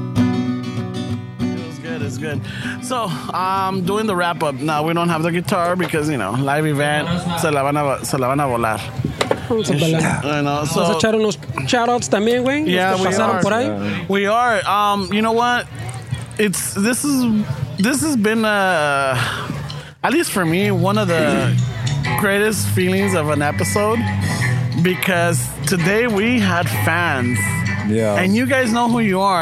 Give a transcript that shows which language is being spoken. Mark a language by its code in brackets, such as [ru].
[en] Yeah. It was good. So, doing the wrap up. Now we don't have the guitar because, you know, live event. [es] Se la van a volar. Vamos a echar unos shout outs también, güey. [en] Yeah, [es] los que pasaron por ahí. [en] We are. You know what? This has been at least for me, one of the greatest feelings of an episode, because today we had fans. Yeah. And you guys know who you are.